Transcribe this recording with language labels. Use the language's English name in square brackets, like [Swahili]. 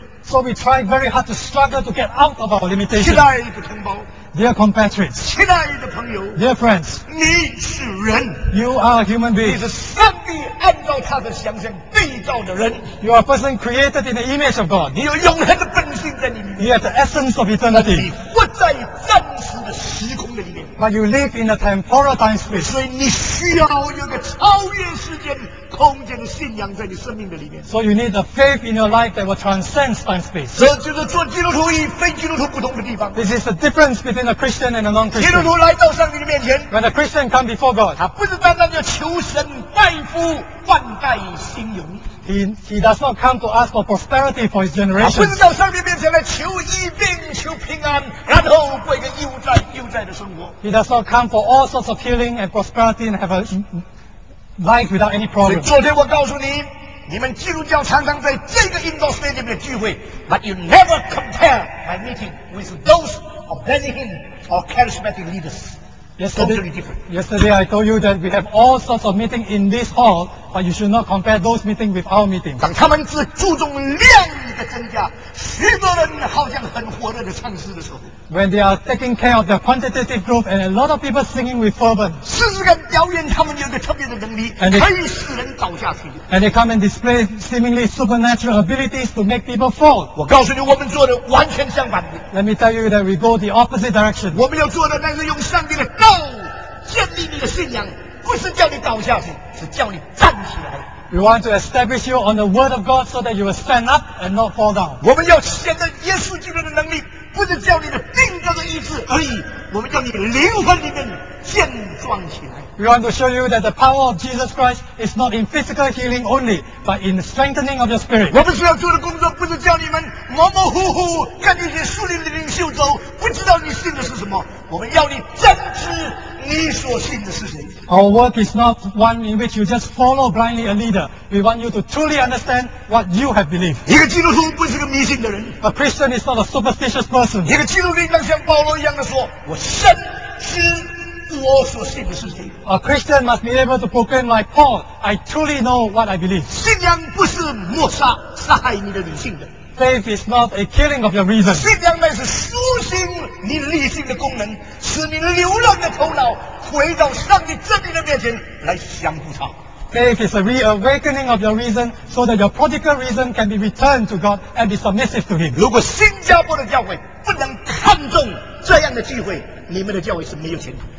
[English] So we try very hard to struggle to get out of our limitations. Dear compatriots, dear friends, you are a human being. You are a person created in the image of God. [Chinese] 心在你里面。 [English] You have the essence of eternity. [Chinese] 你不在暂时的时空的里面。 [English] But you live in a temporal time space. [Chinese] 所以你需要有个超越时间空间的信仰在你生命的里面。 [English] So you need a faith in your life that will transcend time space. [Chinese] 这就是做基督徒与非基督徒不同的地方。 [English] This is the difference between a Christian and a non-Christian. [Chinese] 基督徒来到上帝的面前。 [English] When a Christian come before God, [Chinese] 他不是单单要求神拜福万代兴荣。 [English] He does not come to ask for prosperity for his generation. [Chinese] 他不是到上帝面前来求医病、求平安，然后过一个悠哉悠哉的生活。 [English] He does not come for all sorts of healing and prosperity and have a life without any problem. [Chinese] 所以昨天我告诉你，你们基督教常常在这个 Indoor Stadium 的聚会， [English] but you never compare my meeting with those of Benny Hinn or charismatic leaders. Yesterday I told you that we have all sorts of meeting in this hall, but you should not compare those meeting with our meeting. [Chinese] 当他们只注重量的增加，许多人好像很火热的唱诗的时候， [English] when they are taking care of their quantitative group and a lot of people singing with fervent, [Chinese] 试试看表演他们有个特别的能力， they 可以使人倒下去， [English] and they come and display seemingly supernatural abilities to make people fall. [Chinese] 我告诉你，我们做的完全相反的。 [English] Let me tell you that we go the opposite direction. [Chinese] 我们要做的，那是用上帝的道建立你的信仰，不是叫你倒下去，是叫你站起来。 [English] We want to establish you on the word of God so that you will stand up and not fall down. [Chinese] 我们要显得耶稣基督的能力，不是叫你的病症的医治而已，我们叫你灵魂里面健壮起来。 [English] We want to show you that the power of Jesus Christ is not in physical healing only, but in the strengthening of your spirit. [Chinese] 我们需要做的工作不是叫你们模模糊糊跟那些树林的领袖走，不知道你信的是什么。我们要你真知你所信的是谁。 [English] Our work is not one in which you just follow blindly a leader. We want you to truly understand what you have believed. [Chinese] 一个基督徒不是个迷信的人。 [English] A Christian is not a superstitious person. [Chinese] 一个基督徒应当像保罗一样的说，我深知我所信的事情。 [English] A Christian must be able to proclaim like Paul, I truly know what I believe. [Chinese] 信仰不是抹杀杀害你的理性的。 [English] Faith is not a killing of your reason. [Chinese] 信仰乃是苏醒你理性的功能，使你流浪的头脑回到上帝真理的面前来相互唱。 [English] Faith is a reawakening of your reason so that your prodigal reason can be returned to God and be submissive to Him. [Chinese] 如果新加坡的教会不能看重这样的机会，你们的教会是没有前途。